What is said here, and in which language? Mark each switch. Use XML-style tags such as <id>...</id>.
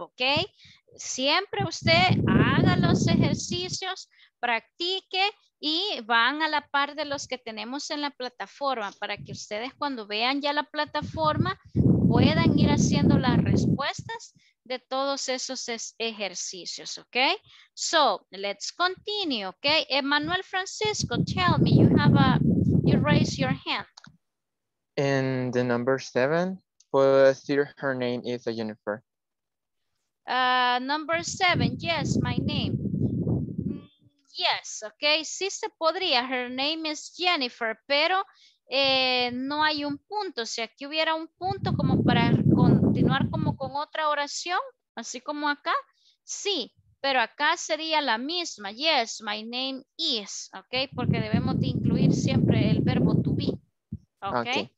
<es>Okay, siempre usted haga los ejercicios, practique y van a la par de los que tenemos en la plataforma para que ustedes cuando vean ya la plataforma puedan ir haciendo las respuestas de todos esos ejercicios, ¿ok?</es> <en>So, let's continue, ¿ok? Emmanuel Francisco, tell me, you raise your hand. In the number 7, well, her name is Jennifer. Number 7, yes, my name.</en> <es>Yes, okay, sí se podría,</es> <en>her name is Jennifer,</en> <es>pero no hay un punto, si aquí hubiera un punto como para continuar como con otra oración, así como acá, sí, pero acá sería la misma,</es> <en>yes, my name is, okay,</en> <es>porque debemos de incluir siempre el verbo to be, okay,</es>